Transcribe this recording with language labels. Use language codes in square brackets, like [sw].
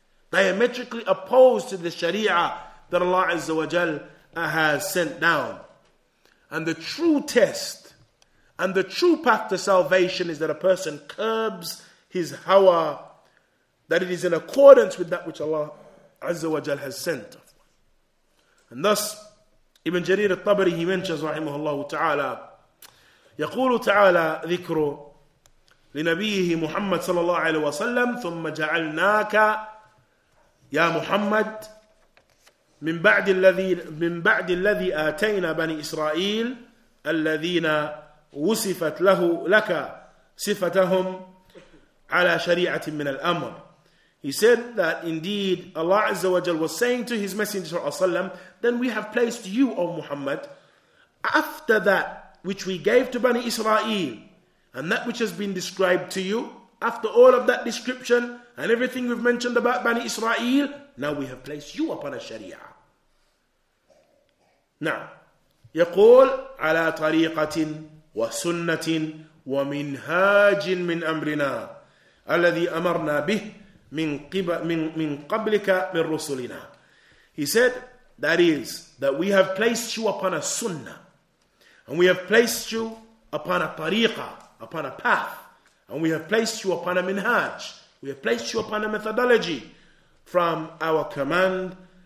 [en] Diametrically opposed to the sharia that Allah Azza wa Jal has sent down. And the true test and the true path to salvation is that a person curbs his hawa, that it is in accordance with that which Allah Azza wa Jal has sent. And thus, Ibn Jarir al-Tabari, he mentions, rahimahullah ta'ala, [ar] يقول تعالى ذكره لنبيه محمد صلى الله عليه وسلم ثم جعلناك يا محمد من بعد الذي آتينا بني إسرائيل الذين وصفت له لك صفتهم على شريعة من الأمر. [en] He said that indeed Allah Azza wa Jal was saying to his messenger صلى الله عليه وسلم, then we have placed you, O Muhammad, after that which we gave to Bani Israel, and that which has been described to you, after all of that description and everything we've mentioned about Bani Israel, now we have placed you upon a sharia. [ar] Now, يقول على طريقة وسنة ومنهاج من أمرنا الذي أمرنا به من قبلك من رسلنا. [en] He said, that is, that we have placed you upon a sunnah. And we have placed you upon a tariqa, upon a path. And we have placed you upon a minhaj. We have placed you upon a methodology from our command.